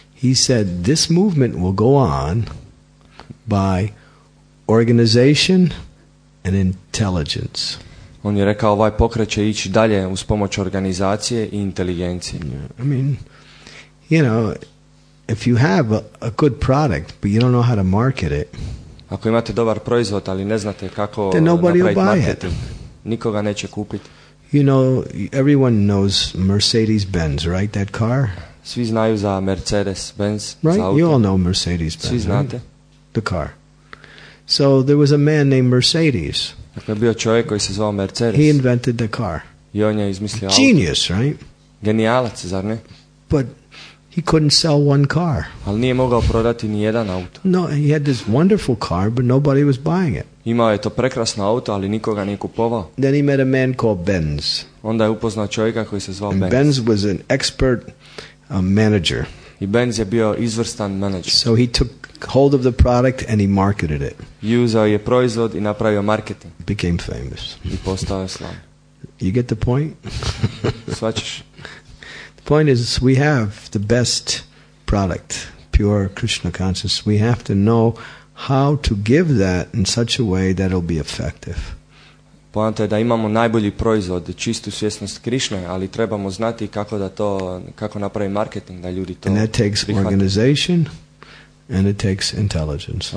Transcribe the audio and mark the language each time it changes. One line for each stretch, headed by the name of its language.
English: He said, this movement will go on by organization and intelligence.
Croatian: On je rekao, ovaj pokret će ići dalje uz pomoć organizacije i inteligencije.
English: Yeah. I mean, you know, if you have a good product, but you don't know how to market it,
Croatian: ako imate dobar proizvod, ali ne znate kako napraviti marketing, nikoga neće kupiti.
English: You know, everyone knows Mercedes-Benz, right, that car?
Croatian: Svi znaju za Mercedes-Benz,
English: right?
Croatian: Za auto.
English: You all know Mercedes-Benz.
Croatian: Svi znate.
English: Right? The car. So there was a man named Mercedes.
Croatian: Dakle, bio čovjek koji se zvao Mercedes.
English: He invented the car.
Croatian: I on je izmislio auto.
English: Genius, right?
Croatian: Genijalac, zar ne?
English: But he couldn't sell one car.
Croatian: Ali nije mogao prodati ni jedan auto.
English: No, he had this wonderful car, but nobody was buying it.
Croatian: Imao je to prekrasno auto, ali nikoga nije kupovao.
English: Then he met a man called Benz.
Croatian: Onda je upoznao čovjeka koji se zvao Benz.
English: Benz was an expert manager.
Croatian: I Benz je bio izvrstan manager.
English: So he took hold of the product and he marketed it.
Croatian: Uzeo je proizvod i napravio marketing.
English: Became famous.
Croatian: I postao je slavan.
English: You get the point?
Croatian: Svačiš.
English: Point is, we have the best product, pure Krishna consciousness. We have to know how to give that in such a way that it'll be effective.
Croatian: Poanta je da imamo najbolji proizvod, čistu svjesnost Krišne, ali trebamo znati kako da to, kako napravi marketing da ljudi to prihvate.
English: And that takes organization and it takes intelligence.